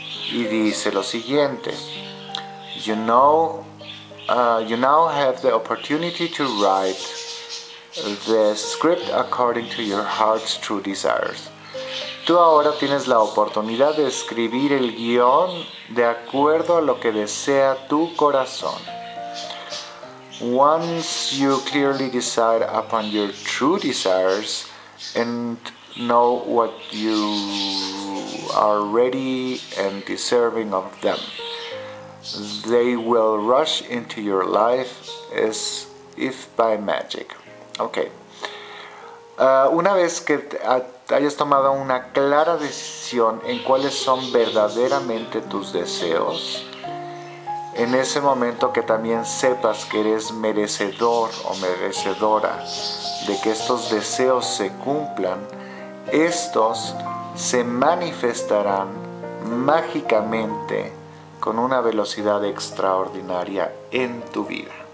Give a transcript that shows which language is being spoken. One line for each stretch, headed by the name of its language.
Spanish: Y dice lo siguiente:
English: You now have the opportunity to write the script according to your heart's true desires.
Spanish: Tú ahora tienes la oportunidad de escribir el guión de acuerdo a lo que desea tu corazón.
English: Once you clearly decide upon your true desires and know what you are ready and deserving of them, they will rush into your life as if by magic. Okay.
Spanish: Una vez que hayas tomado una clara decisión en cuáles son verdaderamente tus deseos, en ese momento que también sepas que eres merecedor o merecedora de que estos deseos se cumplan, estos se manifestarán mágicamente con una velocidad extraordinaria en tu vida.